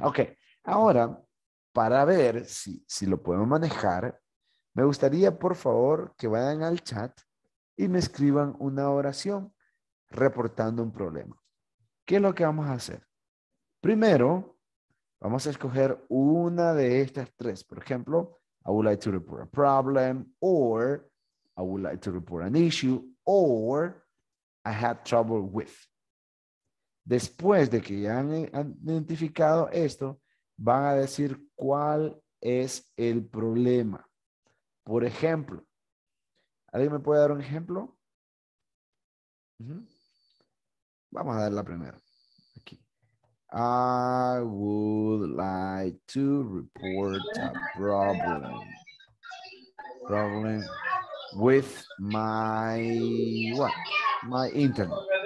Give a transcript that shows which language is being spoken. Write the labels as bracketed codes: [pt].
[es] Ok, ahora, para ver si lo podemos manejar, me gustaría, por favor, que vayan al chat y me escriban una oración reportando un problema. ¿Qué es lo que vamos a hacer? Primero, vamos a escoger una de estas tres. Por ejemplo, [en] I would like to report a problem, or I would like to report an issue, or I had trouble with. [es] Después de que ya han identificado esto, van a decir cuál es el problema. Por ejemplo, ¿alguien me puede dar un ejemplo? Vamos a dar la primera. Aquí. [en] I would like to report a problem with my what? My internet.